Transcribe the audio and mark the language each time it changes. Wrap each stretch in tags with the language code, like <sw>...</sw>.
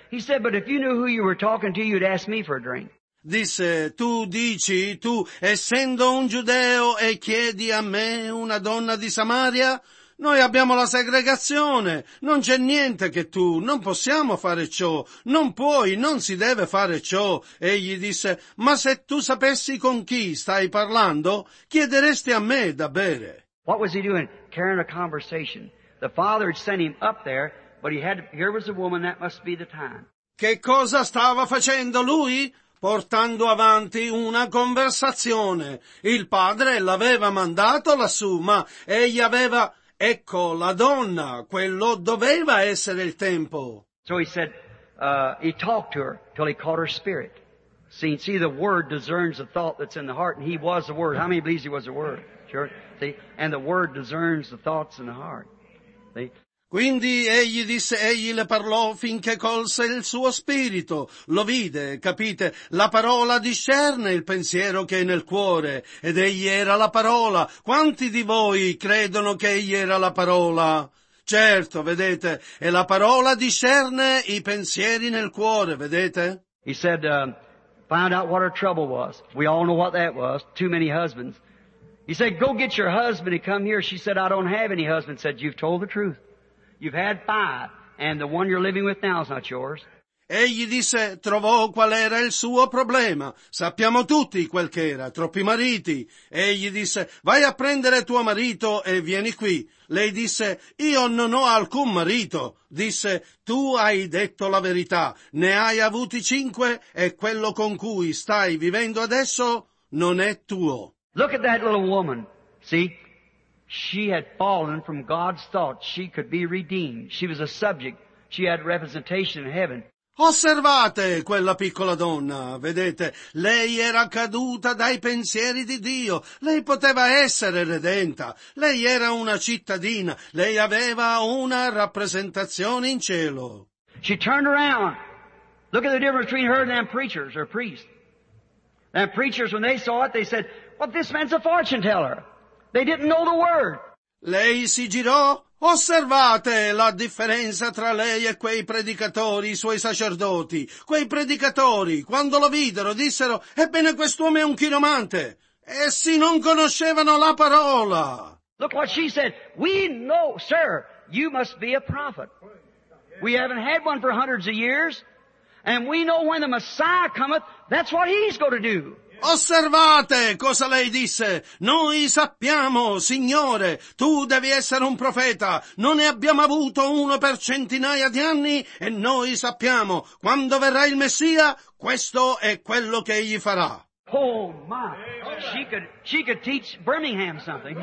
<en>He said, but if you knew who you were talking to, you'd ask me for a drink.</en> <it>Disse, tu dici, tu essendo un giudeo e chiedi a me una donna di Samaria? Noi abbiamo la segregazione, non c'è niente che tu, non possiamo fare ciò, non puoi, non si deve fare ciò. Egli disse, ma se tu sapessi con chi stai parlando, chiederesti a me da bere.</it> <en>What was he doing? Carrying a conversation. The father had sent him up there, but here was a woman, that must be the time.</en> <it>Che cosa stava facendo lui? Portando avanti una conversazione. Il padre l'aveva mandato lassù, ma egli aveva, ecco la donna, quello doveva essere il tempo.</it> <en>So he said, he talked to her till he caught her spirit. See, the word discerns the thought that's in the heart, and he was the word. How many believes he was the word? Sure. See, and the word discerns the thoughts in the heart. See?</en> <it>Quindi egli disse, egli le parlò finché colse il suo spirito. Lo vide, capite? La parola discerne il pensiero che è nel cuore. Ed egli era la parola. Quanti di voi credono che egli era la parola? Certo, vedete, e la parola discerne i pensieri nel cuore, vedete?</it> <en>He said, found out what her trouble was. We all know what that was, too many husbands. He said, go get your husband and come here. She said, I don't have any husband. He said, you've told the truth. You've had five, and the one you're living with now is not yours.</en> <it>Egli disse, trovò qual era il suo problema. Sappiamo tutti quel che era, troppi mariti. Egli disse, vai a prendere tuo marito e vieni qui. Lei disse, io non ho alcun marito. Disse, tu hai detto la verità. Ne hai avuti cinque, e quello con cui stai vivendo adesso non è tuo.</it> <en>Look at that little woman, see? She had fallen from God's thought. She could be redeemed. She was a subject. She had representation in heaven.</en> <it>Osservate quella piccola donna, vedete? Lei era caduta dai pensieri di Dio. Lei poteva essere redenta. Lei era una cittadina. Lei aveva una rappresentazione in cielo.</it> <en>She turned around. Look at the difference between her and them preachers or priests. Them preachers, when they saw it, they said, "Well, this man's a fortune teller." They didn't know the word.</en> <it>Lei si girò. Osservate la differenza tra lei e quei predicatori, i suoi sacerdoti. Quei predicatori, quando lo videro, dissero, ebbene quest'uomo è un chiromante. Essi non conoscevano la parola.</it> <en>Look what she said. We know, sir, you must be a prophet. We haven't had one for hundreds of years. And we know when the Messiah cometh, that's what he's going to do.</en> <it>Osservate cosa lei disse. Noi sappiamo, Signore, tu devi essere un profeta. Non ne abbiamo avuto uno per centinaia di anni e noi sappiamo, quando verrà il Messia, questo è quello che egli farà.</it> <en>Oh my, she could teach Birmingham something.</en>